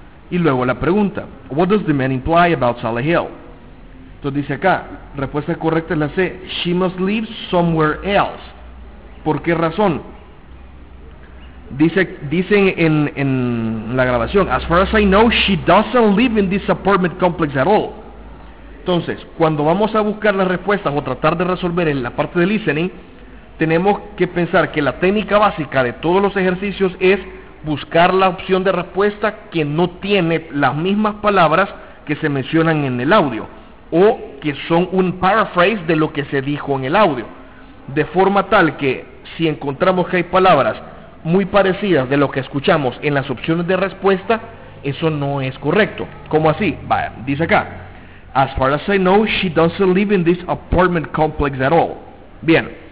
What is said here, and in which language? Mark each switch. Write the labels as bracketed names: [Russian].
[Spanish] Y luego la pregunta, [English] what does the man imply about Sally Hill? [Spanish] Entonces dice acá, respuesta correcta es la C, [English] she must live somewhere else. [Spanish] ¿Por qué razón? Dice en la grabación, [English] as far as I know, she doesn't live in this apartment complex at all. [Spanish] Entonces, cuando vamos a buscar las respuestas o tratar de resolver en la parte de listening, tenemos que pensar que la técnica básica de todos los ejercicios es buscar la opción de respuesta que no tiene las mismas palabras que se mencionan en el audio o que son un paraphrase de lo que se dijo en el audio. De forma tal que si encontramos que hay palabras muy parecidas de lo que escuchamos en las opciones de respuesta, eso no es correcto. ¿Cómo así? Vaya, dice acá, [English] as far as I know, she doesn't live in this apartment complex at all. [Spanish] Bien,